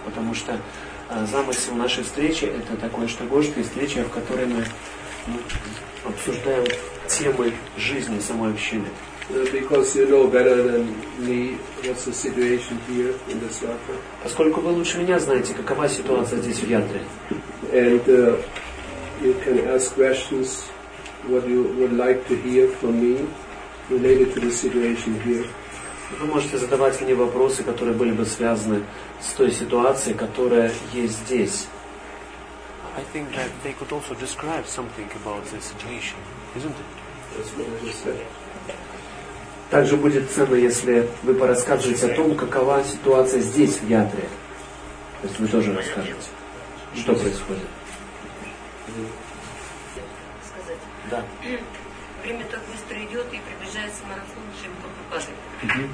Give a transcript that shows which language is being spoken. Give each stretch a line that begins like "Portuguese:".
Russian: Потому что замысел нашей встречи – это такое штагожское встреча, в которой мы обсуждаем темы жизни самой общины. Поскольку вы лучше меня знаете, какова ситуация здесь в ядре.
English: And you can ask questions what you would like to hear from me related to the situation here.
Russian: Вы можете задавать мне вопросы, которые были бы связаны с той ситуацией, которая есть здесь.
English: I think that they could also describe something about the situation, isn't it?
Russian: Также будет ценно, если вы порасскажете о том, какова ситуация здесь, в ядре. То есть вы тоже расскажете, что происходит. Сказать. Да. Время так быстро идет, и приближается марафон Шрилы Прабхупады.